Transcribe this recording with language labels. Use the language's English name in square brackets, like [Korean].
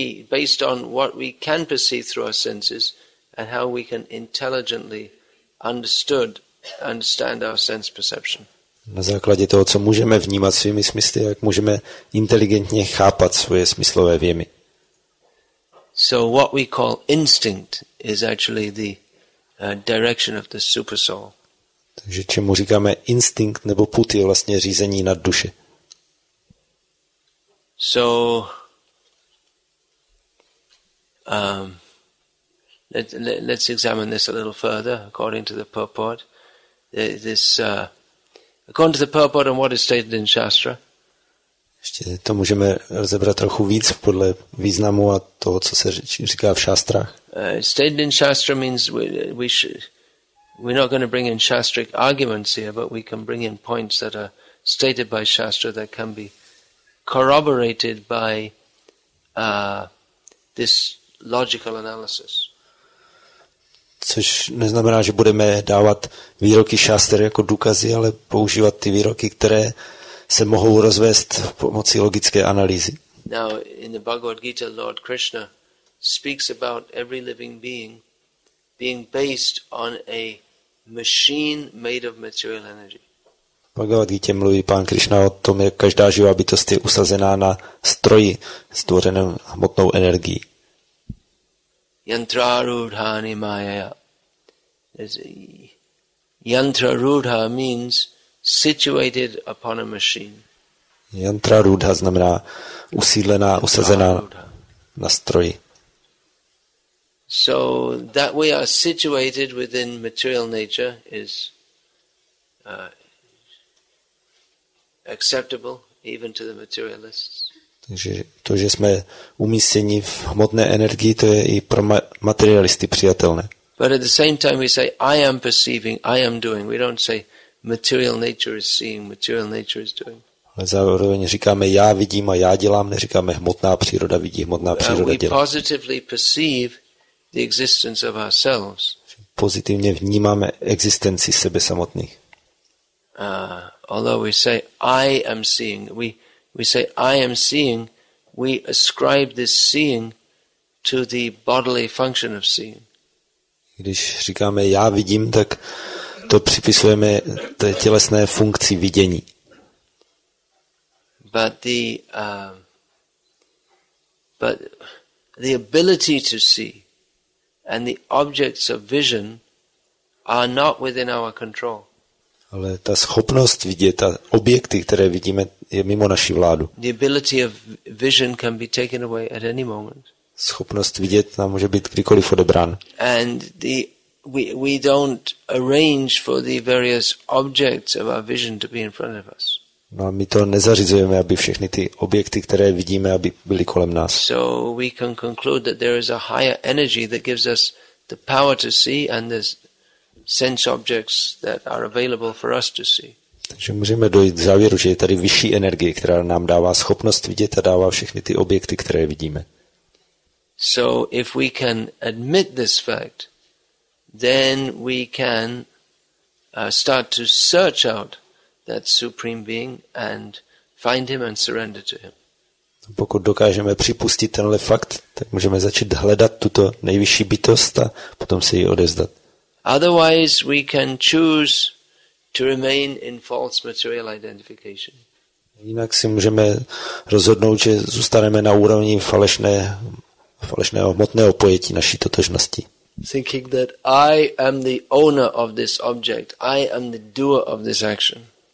[English] Based on what we can perceive through our senses and how we can intelligently understand our sense perception. [Czech] Na základě toho, co můžeme vnímat svými smysly, jak můžeme inteligentně chápat svoje smyslové věmy. [English] So what we call instinct is actually the direction of the supersoul. [Czech] Takže čemu říkáme instinkt nebo put je vlastně řízení nad duše. [English] So let's examine this a little further according to the purport. According to the purport and what is stated in Shastra. [Czech] Ještě to můžeme rozebrat trochu víc podle významu a toho, co se říká v šástrách. [English] Stated in Shastra means we're not going to bring in Shastric arguments here, but we can bring in points that are stated by Shastra that can be corroborated by this logical analysis. [Czech] Což neznamená, že budeme dávat výroky šástr jako důkazy, ale používat ty výroky, které se mohou rozvést pomocí logické analýzy. [English] Now in the Bhagavad Gita, Lord Krishna speaks about every living being based on a machine made of material energy. [Czech] V Bhagavad Gita mluví pán Krishna o tom, jak každá živá bytost je usazená na stroji stvořeném hmotnou energií. [Sanskrit] Yantra rudha ni maya. [English] Yantra rudha means situated upon a machine. [Czech] Yantra rudha znamená usídlená, usazená na stroji. [English] So that we are situated within material nature is acceptable even to the materialists. [Czech] Takže to, že jsme umístěni v hmotné energii, to je i pro materialisty přijatelné. [English] But at the same time we say I am perceiving, I am doing. We don't say material nature is seeing, material nature is doing. [Czech] Ale zároveň říkáme já vidím a já dělám, neříkáme hmotná příroda vidí, hmotná příroda dělá. [English] We positively perceive the existence of ourselves. [Czech] pozitivně vnímáme existenci sebe samotných. [English] Although we say I am seeing, we say I am seeing, we ascribe this seeing to the bodily function of seeing. [Czech] Když říkáme já vidím, tak to připisujeme té tělesné funkci vidění. [English] But the the ability to see and the objects of vision are not within our control. [Czech] Ale ta schopnost vidět a objekty, které vidíme, je mimo naši vládu. [English] The ability of vision can be taken away at any moment. [Czech] Schopnost vidět nám může být kdykoliv odebrán. [English] And the we don't arrange for the various objects of our vision to be in front of us. [Czech] No a my to nezařizujeme, aby všechny ty objekty, které vidíme, aby byly kolem nás. [English] So we can conclude that there is a higher energy that gives us the power to see and the sense objects that are available for us to see. [Czech] Takže můžeme dojít k závěru, že je tady vyšší energie, která nám dává schopnost vidět a dává všechny ty objekty, které vidíme. [English] So if we can admit this fact, then we can start to search out that supreme being and find him and surrender to him. [Czech] Pokud dokážeme připustit tenhle fakt, tak můžeme začít hledat tuto nejvyšší bytost a potom se jí odevzdat. [English] Otherwise we can choose to remain in false material identification. [Czech] Jinak si můžeme rozhodnout, že zůstaneme na úrovni falešného hmotného pojetí naší totožnosti. [English] Thinking that I am the owner of this object, I am the doer of this action.